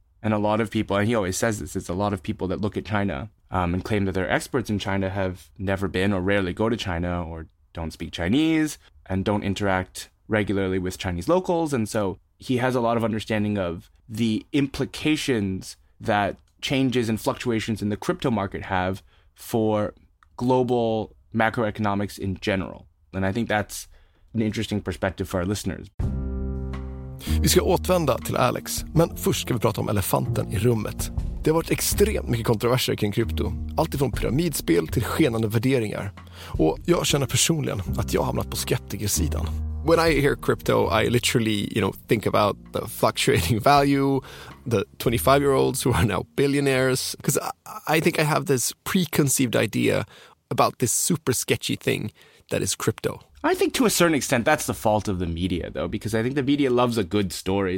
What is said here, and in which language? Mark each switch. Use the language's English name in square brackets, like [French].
[English] And a lot of people, and he always says this, it's a lot of people that look at China and claim that they're experts in China have never been or rarely go to China or don't speak Chinese and don't interact regularly with Chinese locals. And so he has a lot of understanding of the implications that changes and fluctuations in the crypto market have for global macroeconomics in general. And I think that's an interesting perspective for our listeners. [Swedish] Vi ska återvända till Alex, men först ska vi prata om elefanten i rummet. Det har varit extremt mycket kontroverser kring krypto, allt ifrån pyramidspel till skenande värderingar. Och jag känner personligen att jag har hamnat på skeptikersidan. [English] When I hear crypto, I literally, you know, think about the fluctuating value, the 25-year-olds who are now billionaires, because I think I have this preconceived idea about this super sketchy thing that is crypto. I think to a certain extent that's the fault of the media, though, because I think the media loves a good story.